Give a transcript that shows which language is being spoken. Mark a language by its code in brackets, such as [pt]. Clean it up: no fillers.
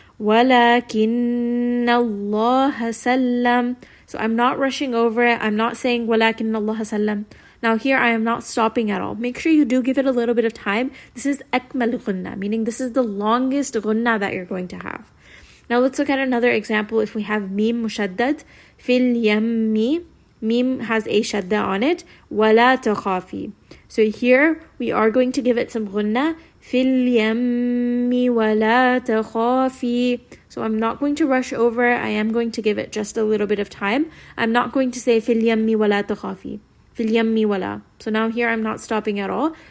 [ar] وَلَكِنَّ اللَّهَ سَلَّمْ. [en] So I'm not rushing over it. I'm not saying [ar] وَلَكِنَّ اللَّهَ سَلَّمْ. [en] Now here, I am not stopping at all. Make sure you do give it a little bit of time. This is أكمل غنة, meaning this is the longest غنة that you're going to have. Now let's look at another example. If we have [ar] ميم مشدد في اليمي, [en] ميم has a شدة on it, [ar] ولا تخافي. [en] So here, we are going to give it some غنة. [ar] في اليمي ولا تخافي. [en] So I'm not going to rush over. I am going to give it just a little bit of time. I'm not going to say [ar] في اليمي ولا تخافي. في اليم ولا. [en] So now here I'm not stopping at all.